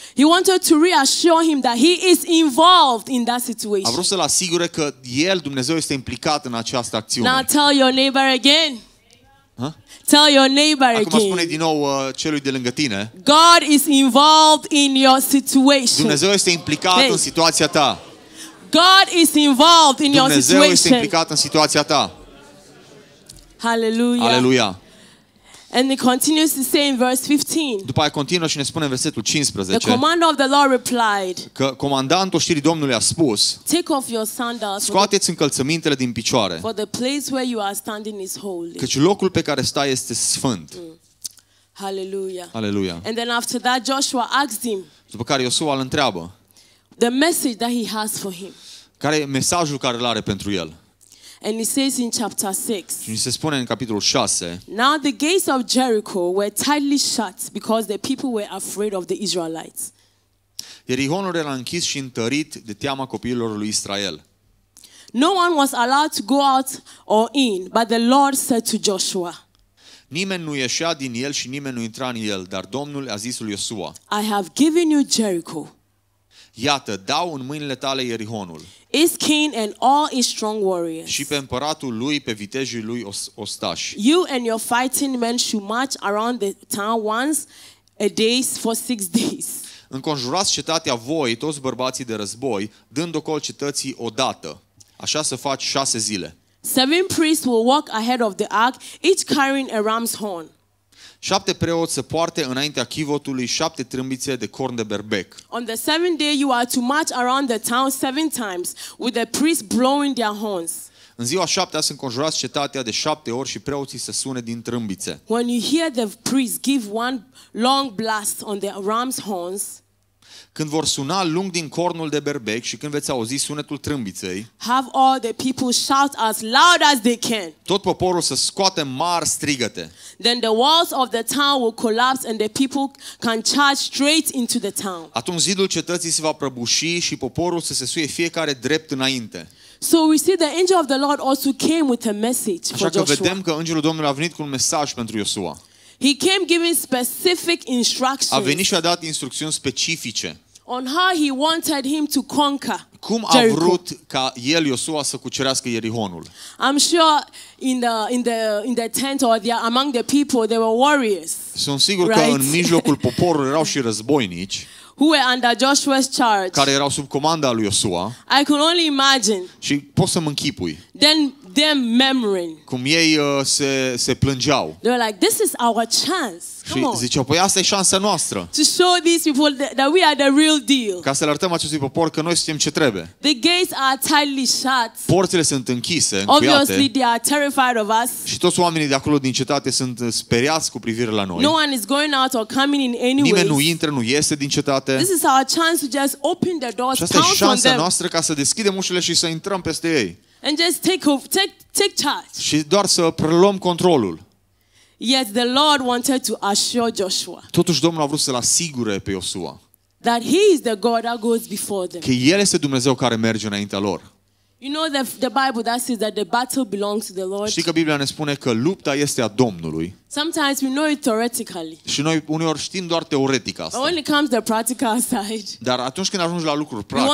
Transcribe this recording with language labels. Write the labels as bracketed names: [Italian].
[English] He wanted to reassure him that he is involved in that situation. [Romanian] A vrut să-l asigure că el, Dumnezeu, este implicat în această acțiune. [English] Now tell your neighbor again. Tell your neighbor again. [Romanian] Acum spune din nou celui de lângă tine. [English] God is involved in your situation. [Romanian] Dumnezeu este implicat în situația ta. [English] God is involved in your situation. [Romanian] Dumnezeu este implicat în situația ta. [English] Hallelujah. [Romanian] Hallelujah. [English] And he continues to say in verse 15. [Romanian] După aia continuă și ne spune în versetul 15. [English] The commander of the Lord replied. [Romanian] Că comandantul oștirii Domnului a spus. [English] Take off your sandals. [Romanian] Scoateți încălțămintele din picioare. [English] For the place where you are standing is holy. [Romanian] Căci locul pe care stai este sfânt. [English] Hallelujah. [Romanian] Hallelujah. [English] And then after that Joshua asked him. [Romanian] După care Iosua îl întreabă. [English] The message that he has for him. [Romanian] Care e mesajul care îl are pentru el? [English] And it says in chapter 6. [Romanian] Și ni se spune în capitolul 6. [English] Now the gates of Jericho were tightly shut because the people were afraid of the Israelites. [Romanian] Ierihonul era închis și întărit de teama copiilor lui Israel. [English] No one was allowed to go out or in, but the Lord said to Joshua. [Romanian] Nimeni nu ieșea din el și nimeni nu intra în el, dar Domnul a zis lui Iosua. [English] I have given you Jericho. [Romanian] Iată, dau în mâinile tale Ierihonul. [English] Is king and all is strong warriors. [Romanian] Și pe împăratul lui, pe vitejii lui ostași. [English] You and your fighting men should march around the town once a day for 6 days. [Romanian] Înconjurați cetatea voi, toți bărbații de război, dând ocol cetății odată. Așa să faci 6 zile. [English] 7 priests will walk ahead of the ark, each carrying a ram's horn. [Romanian] 7 preoți se poartă înaintea chivotului 7 trâmbițe de corn de berbec. [English] On the seventh day you are to march around the town 7 times with the priests blowing their horns. [Romanian] În ziua 7-a se înconjurați cetatea de 7 ori și preoții să sune din trâmbițe. [English] When you hear the priests give one long blast on the ram's horns. [Romanian] Când vor suna lung din cornul de berbec și când veți auzi sunetul trâmbiței. [English] Have all the people shout as loud as they can. [Romanian] Tot poporul să scoate mari strigăte. [English] Then the walls of the town will collapse and the people can charge straight into the town. [Romanian] Atunci zidul cetății se va prăbuși și poporul să se suie fiecare drept înainte. [English] So we see the angel of the Lord also came with a message for Joshua. [Romanian] Așa că vedem că îngerul Domnului a venit cu un mesaj pentru Iosua. [English] He came giving specific instructions. [Romanian] A venit și a dat instrucțiuni specifice. [English] On how he wanted him to conquer. [Romanian] Cum a vrut ca el, Iosua, să cucerească Ierihonul? [English] I'm sure in the tent or there among the people there were warriors. [Romanian] Sunt sigur că în mijlocul poporului erau și războinici. [English] Who were under Joshua's charge? [Romanian] Care erau sub comanda lui Iosua. [English] I can only imagine. [Romanian] Și poți să mă închipui. [English] Then them murmuring. [Romanian] Cum ei se plângeau. [English] They were like, this is our chance. Come on. [Romanian] Și ziceau, păi asta e șansa noastră. [English] To show these people that we are the real deal. [Romanian] Ca să le arătăm acestui popor că noi suntem ce trebuie. [English] The gates are tightly shut. [Romanian] Porțile sunt închise, încuiate. [English] Obviously they are terrified of us. [Romanian] Și toți oamenii de acolo din cetate sunt speriați cu privire la noi. [English] No one is going out or coming in any way. [Romanian] Nimeni nu intră, nu iese din cetate. [English] This is our chance to just open the doors. [Romanian] Și asta e șansa noastră ca să deschidem ușile și să intrăm peste ei. [English] And just take charge. [Romanian] Și doar să preluăm controlul. [English] Yet the Lord wanted to assure Joshua. [Romanian] Totuși Domnul a vrut să-l asigure pe Iosua. [English] That he is the God that goes before them. [Romanian] Că el este Dumnezeu care merge înaintea lor. [English] You know the Bible that says that the battle belongs to the Lord. [Romanian] Știi că Biblia ne spune că lupta este a Domnului. [English] Sometimes we know it theoretically. [Romanian] Și noi uneori știm doar teoretic asta. [English] When it comes the practical side. [Romanian] Dar atunci când ajungi la lucruri practice.